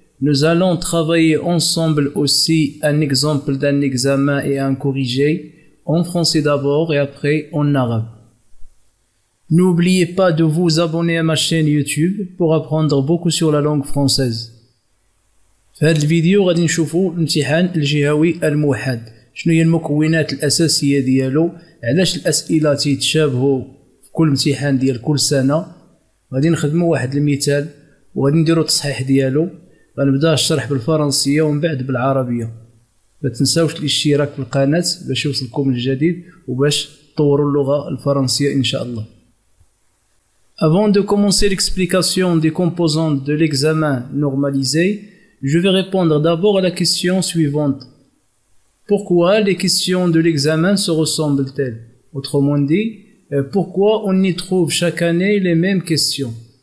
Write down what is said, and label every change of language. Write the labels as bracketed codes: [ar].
[fr] Nous allons travailler ensemble aussi un exemple d'un examen et un corrigé, en français d'abord et après en arabe. N'oubliez pas de vous abonner à ma chaîne YouTube pour apprendre beaucoup sur la langue française. Dans cette vidéo, [ar] غادي نشوفوا امتحان الجهوي الموحد. شنو هي المكونات الاساسيه ديالو؟ علاش الاسئله تيتشابهوا في كل امتحان ديال كل سنه؟ غادي نخدموا واحد المثال وغادي نديروا التصحيح ديالو. غنبدا الشرح بالفرنسيه ومن بعد بالعربيه. ما تنساوش الاشتراك في القناه باش يوصلكم الجديد وباش تطوروا اللغه الفرنسيه ان شاء الله. [fr] Avant de commencer l'explication des composantes de l'examen normalisé, je vais répondre d'abord à la question suivante. Pourquoi les questions de l'examen se ressemblent-elles? Autrement dit, pourquoi on y trouve chaque année les mêmes questions?